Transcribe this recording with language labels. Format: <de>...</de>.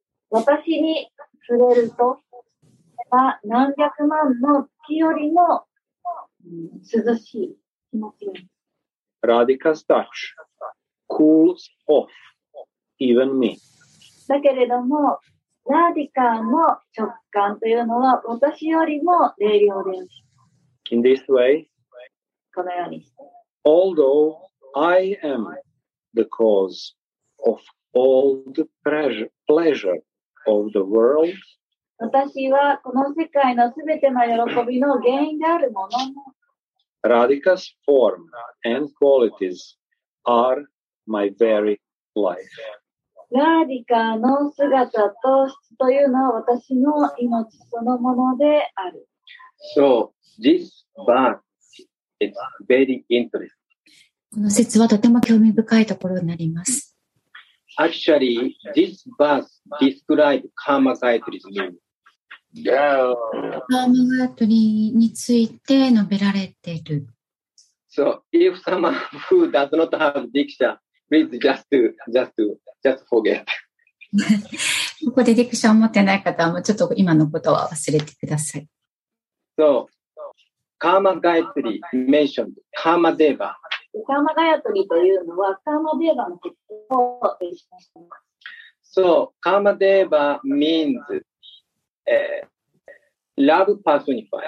<ja>私に触れると、何百万の月よりも涼しい気持ちです。</ja> <en>Radhika's touch cools off even me.</en> <ja>だけれども、ラディカの直感というのは私よりも冷涼です。</ja> <en>In this way,</en> <ja>このようにして。</ja> <en>Although I am the cause of all the pleasure of the world,</en> <ja>私はこの世界のすべての喜びの原因であるものも、</ja> <en>Radhika's form and qualities are my very life.</en> <ja>Radhika の姿と質というのは私の命そのものである。</ja> <en>So this verse is very interesting.</en> <ja>この節はとても興味深いところになります。</ja> <en>Actually, this verse describes karma gayatri's meaning.</en> <ja>カーマガトリについて述べられている。</ja> <en>So, if someone who does not have diksha, please just forget.</en> <ja>ここでディクションを持ってない方はもうちょっと今のことは忘れてください。</ja> <en>So, カーマガトリ mentioned カーマデーバ。</en> <ja>カーマガトリというのはカーマデーバのことを言っています。</ja> <en>So, カーマデーバ means love personified.</en>